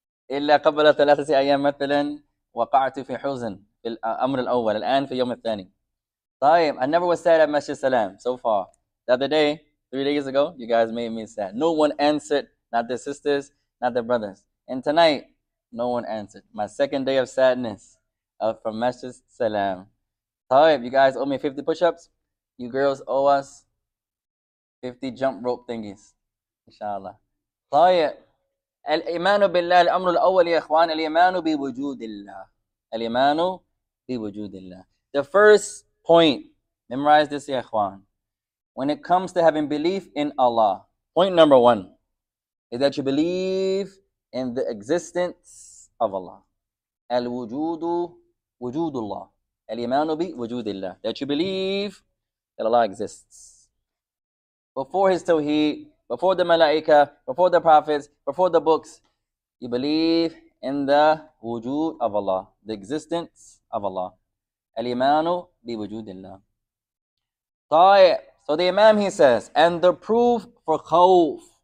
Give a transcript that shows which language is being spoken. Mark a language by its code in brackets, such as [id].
[ar] إلا قبل ثلاثة أيام مثلا وقعت في حزن في الأمر الأول الآن في يوم الثاني. [en] طيب, I never was sad at Masjid Salam so far. The other day, 3 days ago, you guys made me sad. No one answered, not the sisters, not the brothers. And tonight, no one answered. My second day of sadness from Masjid Salam. طيب, you guys owe me 50 push-ups. You girls owe us 50 jump rope thingies. Inshallah. طيب. [ar] الإيمان بالله الأمر الأول يا إخوان الإيمان بوجود الله الإيمان بوجود الله. [en] The first point, memorize this [ar] يا إخوان. [en] When it comes to having belief in Allah, point number one is that you believe in the existence of Allah. [ar] الوجود وجود الله الإيمان بوجود الله. [en] That you believe that Allah exists. Before his tawheed, before the Malaika, before the Prophets, before the books, you believe in the wujud of Allah, the existence of Allah. [ar] Al-Imanu bi wujudillah. [en] طيب. So the Imam, he says, and the proof for khawf,